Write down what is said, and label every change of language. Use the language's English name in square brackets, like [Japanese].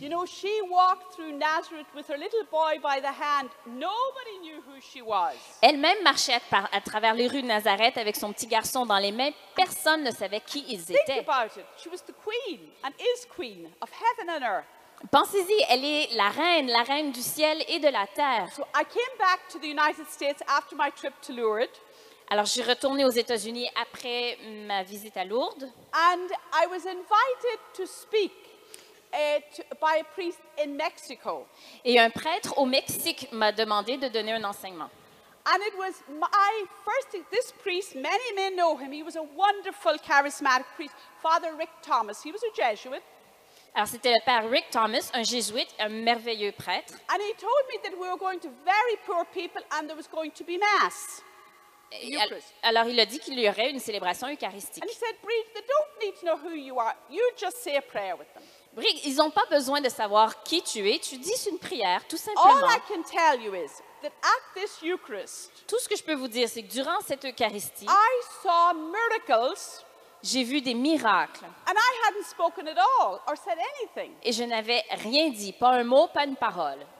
[English] You know, she walked through Nazareth with her little boy by the hand. Nobody knew who she was. [French] Elle-même marchait à travers les rues de Nazareth avec son petit garçon dans les mains. Personne ne savait qui ils étaient. [English] Think about it. She was the queen and is queen of heaven and earth. [French] Pensez-y, elle est la reine du ciel et de la terre. [English] So I came back to the United States after my trip to Lourdes. [French] Alors, je suis retournée aux États-Unis après ma visite à Lourdes. [English] And I was invited to speak by a priest in Mexico. [French] Et un prêtre au Mexique m'a demandé de donner un enseignement. [English] And it was my first, this priest, many may know him, he was a wonderful charismatic priest, Father Rick Thomas, he was a Jesuit. [French] Alors, c'était le père Rick Thomas, un jésuite, un merveilleux prêtre. [English] And he told me that we were going to very poor people and there was going to be mass. [French] Alors, il a dit qu'il y aurait une célébration eucharistique. Brig, ils n'ont pas besoin de savoir qui tu es. Tu dis une prière, tout simplement. [English] All I can tell you is that at this Eucharist, [French] tout ce que je peux vous dire, c'est que durant cette Eucharistie, [English] I saw miracles, [French] j'ai vu des miracles. [English] And I hadn't spoken at all or said anything. [French] Et je n'avais rien dit, pas un mot, pas une parole.